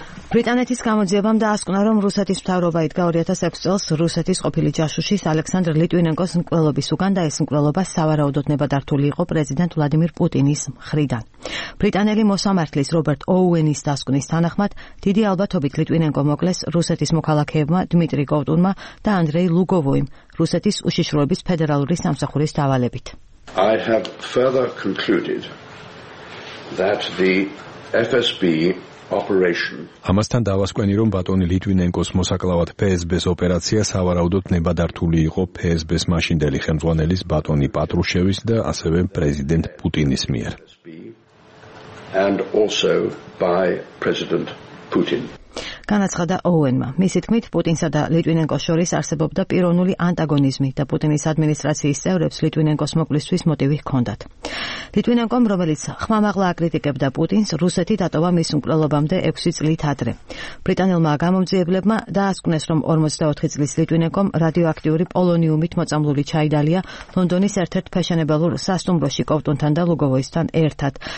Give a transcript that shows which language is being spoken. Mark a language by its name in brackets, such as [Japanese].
[Georgian] ბრიტანეთის გამოძიებამ დაასკვნა, რომ რუსეთის მთავრობა იდგა 2006 წელს რუსეთის ყოფილი ჯაშუშის ალექსანდრ ლიტვინენკოს მკვლელობის უკან და ეს მკვლელობა სავარაუდოდ ნებადართული იყო პრეზიდენტ ვლადიმერ პუტინის მხრიდან. ბრიტანელი მოსამართლის რობერტ ოუენის დასკვნის თანახმად, დიდი ალბათობით ლიტვინენკო მოკლეს რუსეთის მოქალაქეებმა დმიტრი კოვტუნმა და ანდრეი ლუგოვოიმ, რუსეთის უშიშროების ფედერალური სამსახურის დავალებით. [English] I have further concluded that the FSB operation. [Georgian] ამასთან დავასკვენი, რომ ბატონი ლიტვინენკოს მოსაკლავად ფსბ-ს ოპერაცია სავარაუდოდ ნებადართული იყო ფსბ-ს მაშინდელი ხელმძღვანელის ბატონი პატრუშევის და ასევე პრეზიდენტ პუტინის მიერ. [English] And also by President Putin. [Georgian] განაცხადა ოუენმა. მისი თქმით, პუტინსა და ლიტვინენკოს შორის არსებობდა პიროვნული ანტაგონიზმი და პუტინის ადმინისტრაციის წევრებს ლიტვინენკოს მოკვლისთვის მოტივი ჰქონდათ. ლიტვინენკომ, რომელიც ხმამაღლა აკრიტიკებდა პუტინს, რუსეთი დატოვა მის მკვლელობამდე 6 წლით ადრე. ბრიტანელმა გამომძიებლებმა დაასკვნეს, რომ 54 წლის ლიტვინენკომ რადიოაქტიური პოლონიუმით მოწამლული ჩაიდალია ლონდონის ერთ-ერთ ფეშენებელურ სასტუმროში კოვტუნთან და ლუგოვოისთან ერთად.